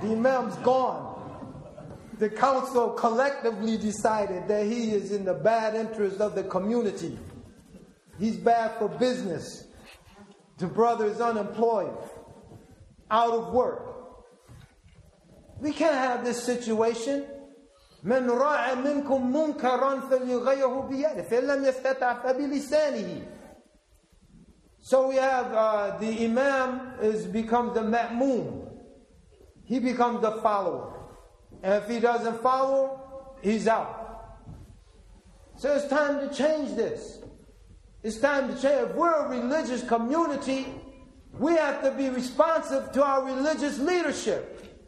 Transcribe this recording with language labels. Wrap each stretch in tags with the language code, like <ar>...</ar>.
<en>The imam's gone. The council collectively decided that he is in the bad interest of the community. He's bad for business. The brother is unemployed. out of work. We can't have this situation.</en> <ar>من راعى منكم منكرا فليغيره بيده فإن لم يستطع فبلسانه.</ar> <en>So we have the imam is become the ma'moom. He becomes the follower. And if he doesn't follow, he's out. So it's time to change this. It's time to change. If we're a religious community, we have to be responsive to our religious leadership.</en>